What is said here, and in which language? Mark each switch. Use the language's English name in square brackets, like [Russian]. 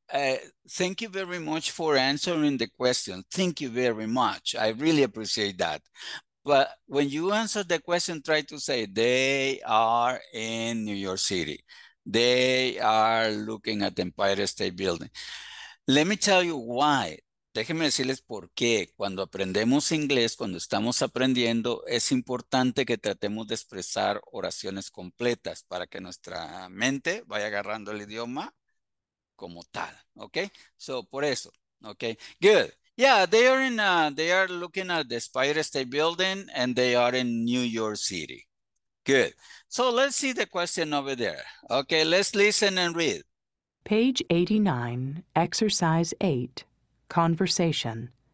[English] Thank you very much for answering the question. Thank you very much. I really appreciate that. But when you answer the question, try to say they are in New York City. They are looking at the Empire State Building. Let me tell you why. [Spanish] Déjenme decirles por qué. Cuando aprendemos inglés, cuando estamos aprendiendo, es importante que tratemos de expresar oraciones completas para que nuestra mente vaya agarrando el idioma como tal. [English] Okay? So, [Spanish] por eso. [English] Okay? Good. Yeah, they are looking at the Spire State Building and they are in New York City. Good. So, let's see the question over there. Okay, let's listen and read. Page 89, Exercise 8, Conversation.